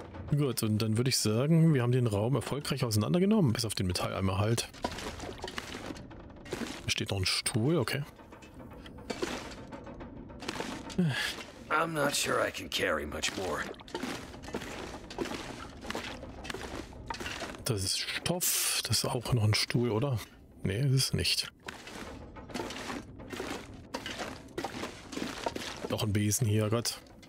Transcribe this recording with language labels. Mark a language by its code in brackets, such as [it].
[de] Gut, und dann würde ich sagen, wir haben den Raum erfolgreich auseinandergenommen, bis auf den Metalleimer halt. Da steht noch ein Stuhl, okay. [en] I'm not sure I can carry much more. [de] Das ist Stoff, das ist auch noch ein Stuhl, oder? Nee, das ist nicht. Noch ein Besen hier, Gott.